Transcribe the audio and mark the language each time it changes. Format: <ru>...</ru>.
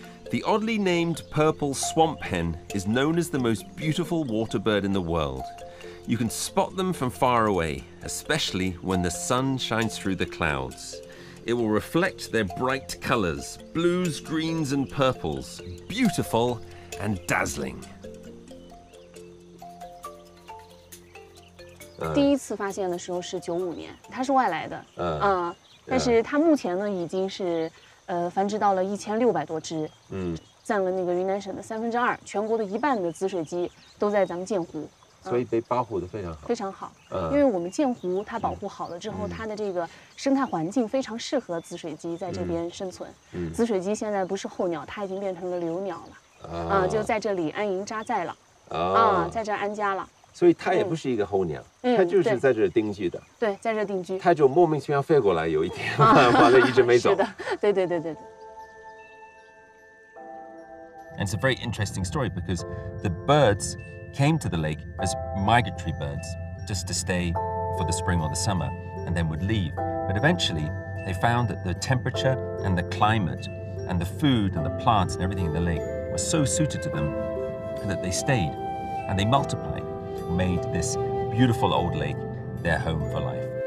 <en>The oddly named purple swamp hen is known as the most beautiful water bird in the world. You can spot them from far away, especially when the sun shines through the clouds. It will reflect their bright colors, blues, greens, and purples, beautiful and dazzling.</en> <zh>第一次发现的时候是1995年，它是外来的。但是它目前呢已经是繁殖到了1600多只。占了那个云南省的1/3，全国的一半的紫水鸡都在咱们建湖。所以被保护得非常好，非常好。因为我们鉴湖它保护好了之后，它的这个生态环境非常适合紫水鸡在这边生存。紫水鸡现在不是候鸟，它已经变成了留鸟了。就在这里安营扎寨了。在这儿安家了。所以它也不是一个候鸟，它就是在这儿定居的。对，在这儿定居。它就莫名其妙飞过来，有一天完了一直没走。是的，对对对对对。</zh> <en>And it's a very interesting story because the birds came to the lake as migratory birds just to stay for the spring or the summer and then would leave. But eventually they found that the temperature and the climate and the food and the plants and everything in the lake was so suited to them that they stayed and they multiplied, made this beautiful old lake their home for life.</en>